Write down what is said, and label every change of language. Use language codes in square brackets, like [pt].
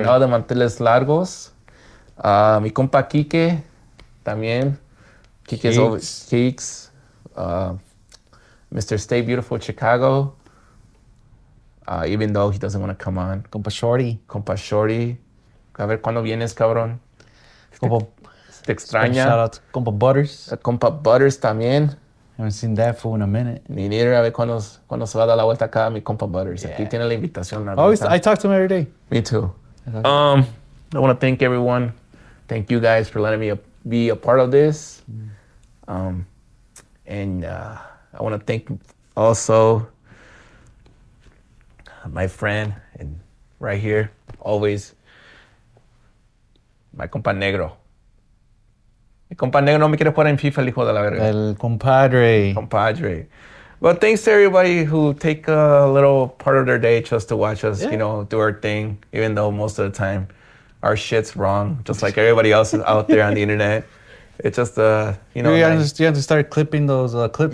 [en] And all the [es] manteles largos. Mi Compa Kike, también. [en] Kike's always. Keeks. Mr. Stay Beautiful Chicago. Even though he doesn't want to come on. Compa Shorty. [es] A ver cuando vienes, cabrón. Te extraña. [en] Shout out to Compa Butters. [es] Compa Butters también. [en] I haven't seen that fool in a minute. [es] Ni [en] neither. [es] A ver cuando se va a dar la vuelta acá mi Compa Butters. Yeah. Aquí tiene la invitación. [en] I talk to him every day. Me too. I want to thank everyone. Thank you guys for letting me be a part of this. I want to thank also my friend and right here, always, my Compa Negro. [es] El compañero no me quiere jugar en FIFA, el hijo de la verga. El compadre. Compadre. [en] Well, thanks to everybody who take a little part of their day just to watch us, you know, do our thing, even though most of the time our shit's wrong, just like everybody else out there on the internet. It's just, you know. You have to start clipping those clips.